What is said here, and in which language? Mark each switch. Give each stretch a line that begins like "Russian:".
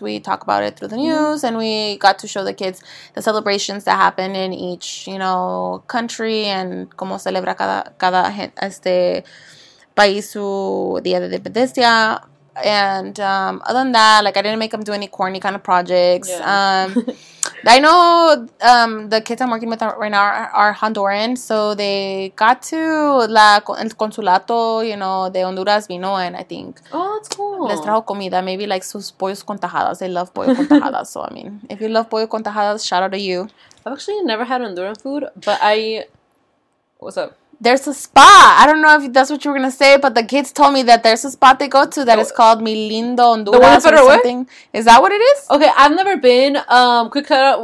English: We talk about it through the news, and we got to show the kids the celebrations that happen in each, you know, country, and
Spanish: cómo celebra cada este país su Día de Independencia.
English: And other than that, like, I didn't make them do any corny kind of projects. Yeah. I know the kids I'm working with right now are Honduran, so they got to
Spanish: el consulato,
English: you know,
Spanish: de Honduras vino,
English: and I think. Oh, that's cool.
Spanish: Les trajo comida,
English: maybe like
Spanish: sus pollos con tajadas.
English: They love pollo con tajadas, so I mean, if you love pollo con tajadas, shout out to you. I've actually never had Honduran food, but what's up? There's a spa. I don't know if that's what you were going to say, but the kids told me that there's a spot they go to that is called Mi Lindo Honduras or something. Way? Is that what it is? Okay, I've never been. Quick cut out.